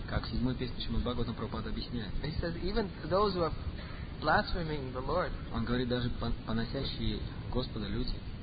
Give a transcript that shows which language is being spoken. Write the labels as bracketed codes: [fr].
[ru] Как в седьмой песне Чимад Бхагаватам Прабхупада объясняет. [en] He says even those who are blaspheming the Lord. [ru] Он говорит, даже поносящие Господа люди.